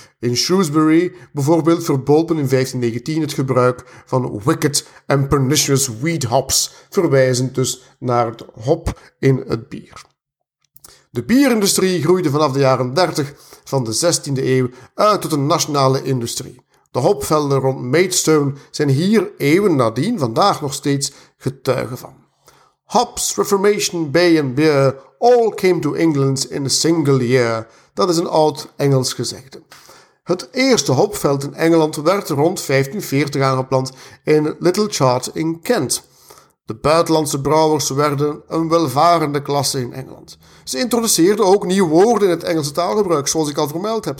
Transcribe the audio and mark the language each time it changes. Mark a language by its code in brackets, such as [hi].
[nl] In Shrewsbury bijvoorbeeld verbood men in 1519 het gebruik van [en] wicked and pernicious wheat hops, [nl] verwijzend dus naar het hop in het bier. De bierindustrie groeide vanaf de jaren 30 van de 16e eeuw uit tot een nationale industrie. De hopvelden rond Maidstone zijn hier eeuwen nadien vandaag nog steeds getuigen van. [en] Hops, Reformation, Bay and Beer all came to England in a single year. [nl] Dat is een oud Engels gezegde. Het eerste hopveld in Engeland werd rond 1540 aangeplant in Little Chart in Kent. De buitenlandse brouwers werden een welvarende klasse in Engeland. Ze introduceerden ook nieuwe woorden in het Engelse taalgebruik, zoals ik al vermeld heb.